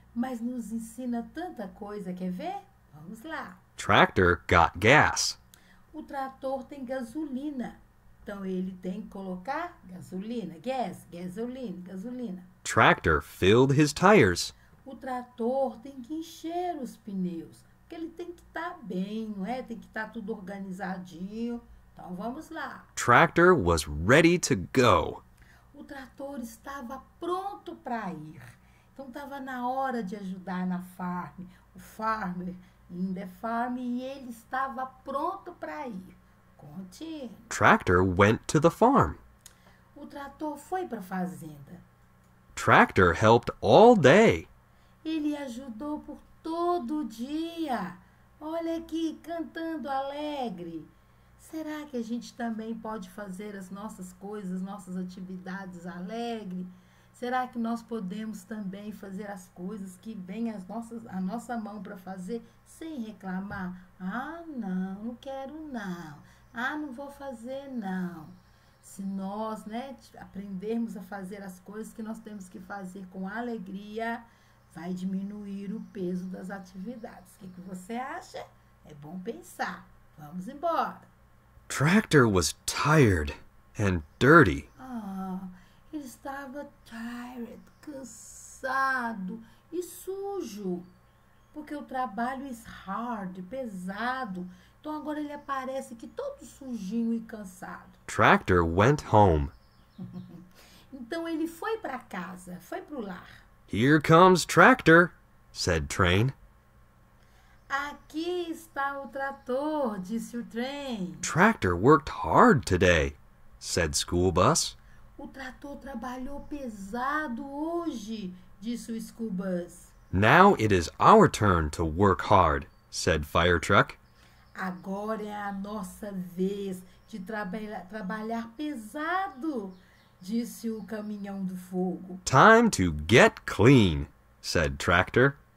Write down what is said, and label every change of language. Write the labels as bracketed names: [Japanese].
[Portuguese] Mas nos ensina tanta coisa, quer ver? Vamos lá. [English] Tractor got gas. [Portuguese] O trator tem gasolina, então ele tem que colocar gasolina, gas, gasolina, gasolina. [English] Tractor filled his tires. [Portuguese] O trator tem que encher os pneus. Que ele tem que estar bem, não é? Tem que estar tudo organizadinho. Então vamos lá. [English] Tractor was ready to go. [Portuguese] O trator estava pronto para ir. Então estava na hora de ajudar na farm. O [English] farmer in the farm [Portuguese] e ele estava pronto para ir. Conte. [English] Tractor went to the farm. [Portuguese] O trator foi para a fazenda. [English] Tractor helped all day. [Portuguese] Ele ajudou por todo dia, olha aqui, cantando alegre. Será que a gente também pode fazer as nossas coisas, nossas atividades alegre? Será que nós podemos também fazer as coisas que vêm a nossa mão para fazer sem reclamar? Ah, não, não quero não. Ah, não vou fazer não. Se nós, né, aprendermos a fazer as coisas que nós temos que fazer com alegria, vai diminuir o peso das atividades. O que que você acha? É bom pensar. Vamos embora. [English] Tractor was tired and dirty. [Portuguese] Ah, Estava tired, cansado e sujo, porque o trabalho [English] is hard, [Portuguese] pesado. Então agora ele aparece aqui todo sujinho e cansado. [English] Tractor went home. [Portuguese] Então ele foi para casa, foi para o lar. [English] Here comes Tractor, said Train. [Portuguese] Aqui está o trator, disse o trem. [English] Tractor worked hard today, said School Bus. [Portuguese] O trator trabalhou pesado hoje, disse o school bus. [English] Now it is our turn to work hard, said Fire Truck. [Portuguese] Agora é a nossa vez de trabalhar pesado, disse o caminhão do fogo. [English] Time to get clean, said Tractor.